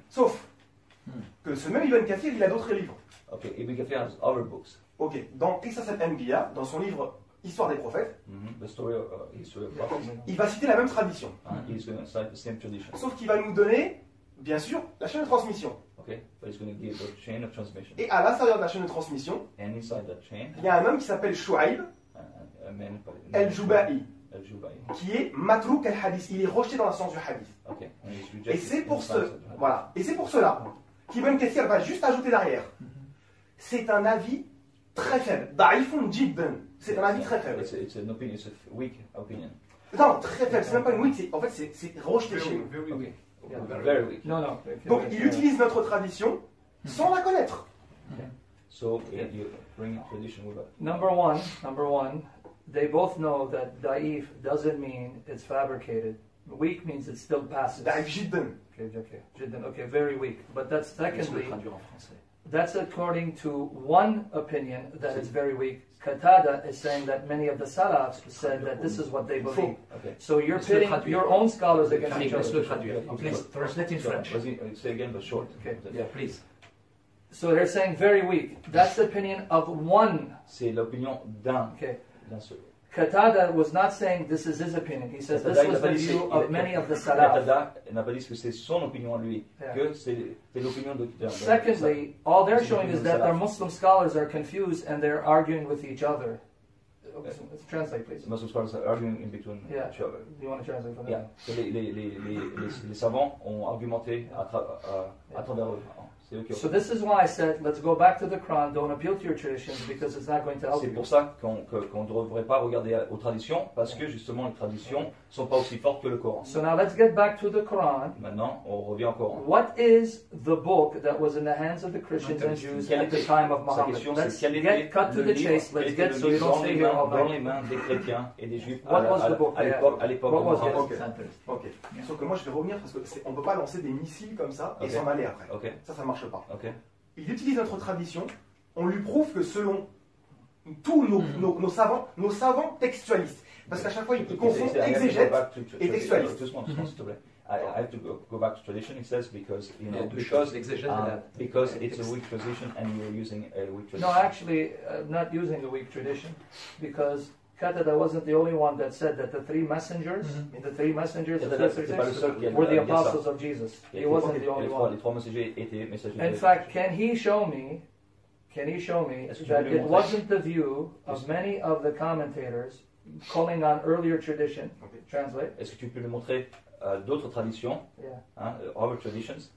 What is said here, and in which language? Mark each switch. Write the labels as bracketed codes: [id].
[fr] Sauf que ce même Ibn Kathir, il a d'autres livres. [en] Ok, Ibn Kathir has other books. [fr] Ok, dans Qisas al-Anbiya, dans son livre Histoire des prophètes. [en] The story of history of prophets. [fr] Il va citer la même tradition. [en] He's going to cite the same tradition. [fr] Sauf qu'il va nous donner, bien sûr, la chaîne de transmission. [en] Okay, but he's going to give the chain of transmission. [fr] Et à l'intérieur de la chaîne de transmission, [en] and inside that chain, [fr] il y a un homme qui s'appelle Shu'aib El-Jubai, qui est matrouk al-hadith. Il est rejeté dans le sens du hadith. [en] Okay, and he's rejected. [fr] Et c'est pour cela qu'Ibn Kathir va juste ajouter derrière. C'est un avis très faible. Da'ifun jibben. C'est un avis très faible. [en] It's an opinion, it's a weak opinion. [fr] Non, très faible, c'est même pas une weak, c'est rejeté chez nous. [en] Very weak. [fr] Non, non. Donc, il utilise notre tradition sans la connaître. [en] Okay. So, you bring tradition with us. Number one, they both know that da'if doesn't mean it's fabricated. Weak means it still passes. Da'if jidden. Okay, jidden. Okay, very weak. But that's secondly, that's according to one opinion that is very weak. Qatada is saying that many of the Salafs said that this is what they believe. Okay. So you're pitting your own scholars against each other. Please translate in French. Say again, but short. Okay. Yeah, please. So they're saying very weak. That's the opinion of one. [fr] C'est l'opinion d'un. [en] Okay. Qatada was not saying this is his opinion. He says this was the view of many of the Salaf. [fr] Qatada n'a pas dit que c'est son opinion à lui, que c'est l'opinion de Qatada. [en] Secondly, all they're showing is that their Muslim scholars are confused and they're arguing with each other. Translate, please. Muslim scholars are arguing in between each other. Do you want to translate from that? [fr] Yeah. Les savants ont argumenté à travers eux. Okay. [en] So this is why I said, let's go back to the Quran, don't appeal to your traditions, because it's not going to help [fr] C'est pour ça qu'on ne devrait pas regarder aux traditions, parce que justement les traditions ne sont pas aussi fortes que le Coran. [en] So now let's get back to the Quran. [fr] Maintenant, on revient au Coran. [en] What is the book that was in the hands of the Christians and Jews at the time of Muhammad? Question, let's get cut to the chase, let's get so you don't stay here all night. [fr] Dans les mains des chrétiens et des juifs à l'époque de Muhammad. [en] Okay. Okay. [fr] Sauf que moi je vais revenir, parce qu'on ne peut pas lancer des missiles comme ça et s'en aller après. [en] Okay. [fr] Ça marche pas. [en] Okay. [fr] Il utilise notre tradition, on lui prouve que selon tous nos savants textualistes, parce qu'à chaque fois il confond exégète et textualiste. [en] Just one second, [fr] s'il te plaît. [en] I have to go back to tradition, he says, because, you know, because it's a weak tradition and you're using a weak tradition. No, actually, not using a weak tradition, because Qatada wasn't the only one that said that the three messengers, the three messengers of the Christians were the apostles of Jesus. He wasn't the only one. [fr] Les trois messagers étaient messagers. [en] In fact, can he show me that it wasn't the view of many of the commentators calling on earlier tradition? Okay. Translate. [fr] Est-ce que tu peux le montrer d'autres traditions, [en] other traditions?